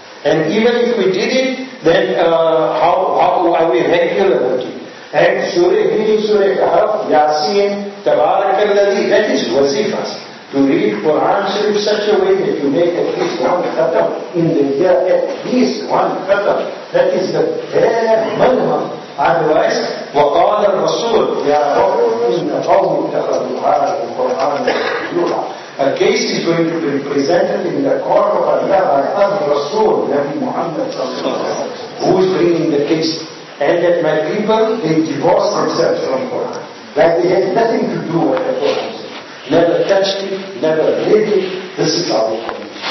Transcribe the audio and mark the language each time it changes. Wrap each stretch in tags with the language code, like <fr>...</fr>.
<en>And even if we did it, then how are we regular with it? And Surah, reading Surah, Yasin, Tabarakalladhi, that is wazifas. To read Quran Sharif such a way that you make at least one khatam in the year, at least one khatam. That is the bare minimum.</en> <ar>Otherwise, وَقَالَ الرَّسُولُ يَا رَبُّ إِنَّ قَوْمِ اتَّخَذُوا هَذَا الْقُرْآنَ مَهْجُورًا.</ar> <en>A case is going to be presented in the court of Allah by Al-Rasul, Nabi Muhammad sallallahu alayhi wa sallam, who is bringing the case. And that my people, they divorced themselves from Quran. That they had nothing to do with the Quran. Never touched it, never read it. This is our condition.</en>